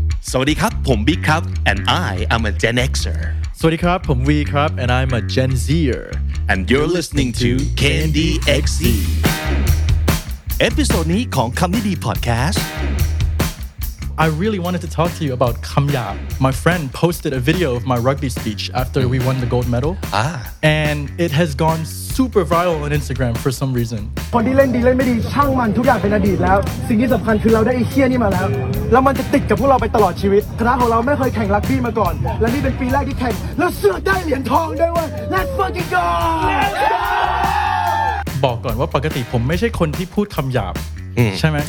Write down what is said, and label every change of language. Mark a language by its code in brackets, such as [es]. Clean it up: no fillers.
[th] สวัสดีครับผมบิ๊กครับ [en] and I am a Gen Xer [th] สวัสดีครับผมวีครับ [en] and I'm a Gen Zer and you're listening to Candy XC [th] เอพิโซดนี้ของคำนี้ดีพอดแคสต์ [en] I really wanted to talk to you about คำหยาบ My friend posted a video of my rugby speech after we won the gold medal and it has gone super viral on Instagram for some reason [th] คนที่เล่นดีเล่นไม่ดีช่างมันทุกอย่างเป็นอดีตแล้วสิ่งที่สำคัญคือเราได้ไอ้เชี่ยนี่มาแล้วแล้วมันจะติดกับพวกเราไปตลอดชีวิตคณะของเราไม่เคยแข่งรักบี้มาก่อนและนี่เป็นปีแรกที่แข่งแล้วเสือกได้เหรียญทองด้วยว่ะ [en] Let's fucking go [th] บอกก่อนว่าปกติผมไม่ใช่คนที่พูดคำหยาบใช่ไหม